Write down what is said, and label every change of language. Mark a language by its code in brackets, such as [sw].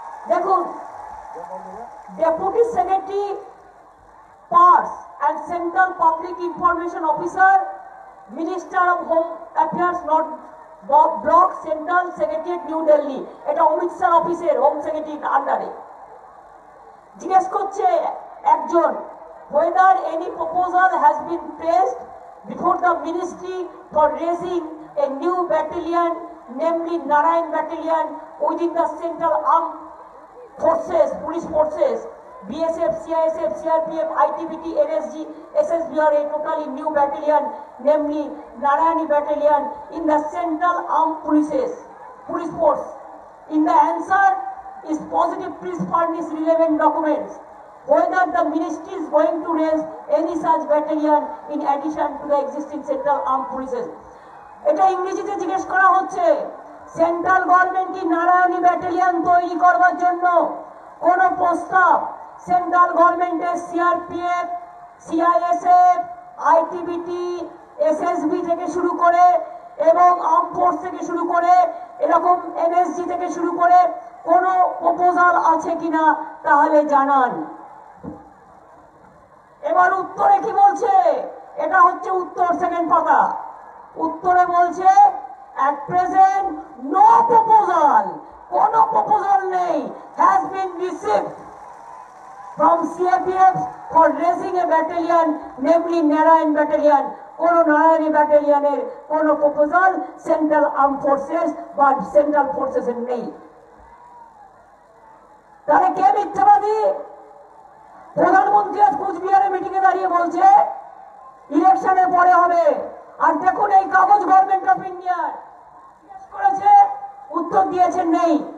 [bn] দেখুন, deputy secretary purse and central public information officer minister of home affairs north block central secretariat new Delhi, এটা অমিত শাহ অফিসের home সেক্রেটারির আন্ডারে। জিজ্ঞেস করছে একজন, [en] whether any proposal has been placed before the ministry for raising a new battalion namely Narayan battalion within the central armed forces, police forces, BSF, CISF, CRPF, ITBT, NSG, SSBR, a totally new battalion namely Narayani battalion in the central armed forces, police force. In the answer is positive, please furnish relevant documents. Whether the ministry is going to raise any such battalion in addition to the existing central armed forces. [bn] এটা ইংরেজিতে জিজ্ঞেস করা হচ্ছে, central government কি Narayani battalion তৈরি করবার জন্য কোন প্রস্তাব সেন্ট্রাল গভর্নমেন্টের সিআরপিএফ, সিআইএসএফ, আইটিবিটি, এসএসবি থেকে শুরু করে এবং আর্ম ফোর্স থেকে শুরু করে এরকম এনএসজি থেকে শুরু করে কোন প্রপোজাল আছে কিনা তাহলে জানান। এবার উত্তরে কি বলছে, এটা হচ্ছে উত্তর সেকেন্ড পাতা। উত্তরে বলছে, [en] at present no proposal, [bn] কোনো proposal নেই, [en] has been received from CAPF for raising a battalion namely Narayan battalion, [bn] কোন নারায়ণ ব্যাটালিয়নের কোন proposal central armed forces বা central forces এর নেই। তাহলে কে মিথ্যাবাদী? প্রধানমন্ত্রী আজ কুচবিহারে মিটিং এ দাঁড়িয়ে বলছে ইলেকশনের পরে হবে। আর দেখুন এই কাগজ গভর্নমেন্ট অফ ইন্ডিয়ার জিজ্ঞেস করেছে, উত্তর দিয়েছেন নেই।